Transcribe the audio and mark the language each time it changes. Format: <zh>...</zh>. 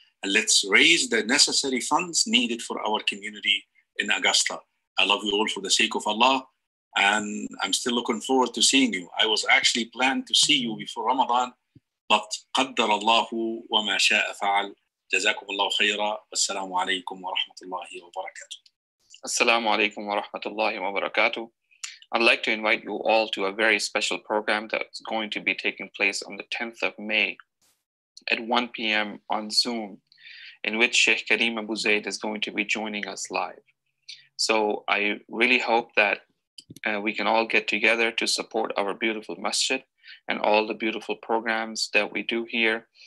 <en>And let's raise the necessary funds needed for our community in Augusta. I love you all for the sake of Allah. And I'm still looking forward to seeing you. I was actually planned to see you before Ramadan, but</en> <ar>قدر الله وما شاء فعل. جزاكم الله خيرا. السلام عليكم ورحمة الله وبركاته. السلام عليكم ورحمة الله وبركاته.</ar> <en>I'd like to invite you all to a very special program that's going to be taking place on the 10th of May at 1 p.m. on Zoom, in which Sheikh Karim Abu Zayd is going to be joining us live. So I really hope that we can all get together to support our beautiful masjid and all the beautiful programs that we do here.</en>